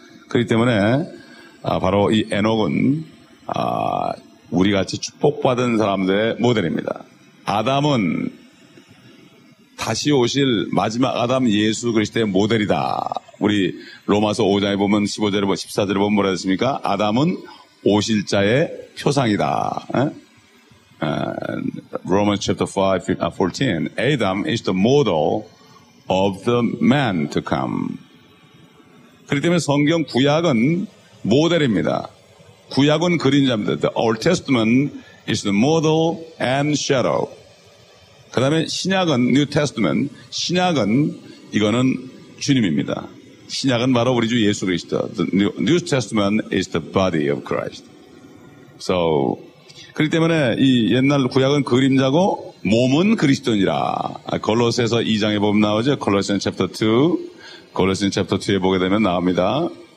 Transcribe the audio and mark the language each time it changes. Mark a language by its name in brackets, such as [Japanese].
[Korean] 그렇기 때문에 바로 이 에녹은 우리같이 축복받은 사람들의 모델입니다. 아담은 다시 오실 마지막 아담 예수 그리스도의 모델이다. 우리 로마서 5장에 보면 15절에 보면 14절에 보면 뭐라 했습니까? 아담은 오실 자의 표상이다. [English] 에? Romans chapter 5, 14. Adam is the model of the man to come. [Korean] 그렇기 때문에 성경 구약은 모델입니다. 구약은 그림자입니다. [English] The Old Testament is the model and shadow. [Korean] 그 다음에 신약은 New Testament. 신약은 이거는 주님입니다. 신약은 바로 우리 주 예수 그리스도. [English] The New Testament is the body of Christ. [Korean] So, 그렇기 때문에 이 옛날 구약은 그림자고 몸은 그리스도니라. 골로새서 2장에 보면 나오죠. 골로새서 챕터 2. 골로새서 챕터 2에 보게 되면 나옵니다.